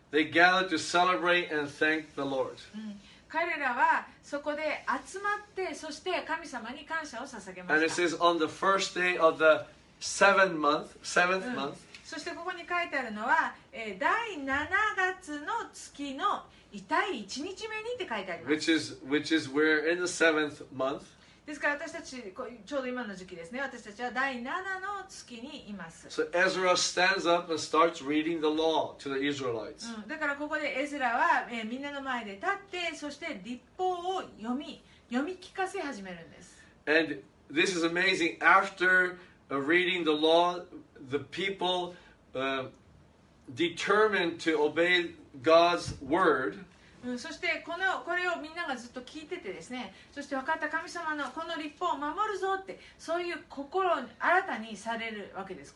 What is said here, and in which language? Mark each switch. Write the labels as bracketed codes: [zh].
[en] they gathered to celebrate and thank the Lord. [ja] 彼らはそこで集まって、そして神様に感謝を捧げました。 [en] And it says on the first day of the seventh month.、 [ja] そしてここに書いてあるのは、第7月の月の痛い1日目にって書いてあります。 [en] Which is we're in the seventh month. [ja] ですから私たち、ちょうど今の時期ですね。私たちは第7の月にいます。 [en] So Ezra stands up and starts reading the law to the Israelites.、 [ja] だからここでエズラは、みんなの前で立って、そして律法を読み聞かせ始めるんです。 [en] And this is amazing. After reading the law, the people determined to obey God's word. [ja] そしてこれをみんながずっと聞いててですね、そして分かった神様のこの律法を守るぞってそういう心を新たにされるわけです。